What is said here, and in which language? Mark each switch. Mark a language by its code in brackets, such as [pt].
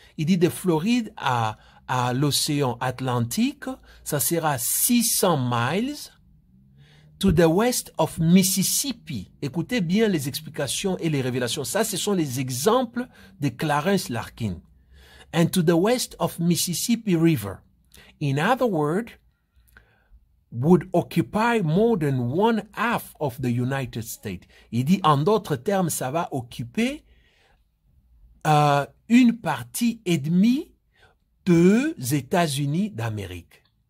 [fr] Il dit, de Floride à l'océan Atlantique, ça sera 600 miles. [en] To the west of Mississippi. [fr] Écoutez bien les explications et les révélations. Ça, ce sont les exemples de Clarence Larkin. [en] And to the west of Mississippi River. In other words, would occupy more than one half of the United States. [fr] Il dit, en d'autres termes, ça va occuper une partie et demie des États-Unis d'Amérique.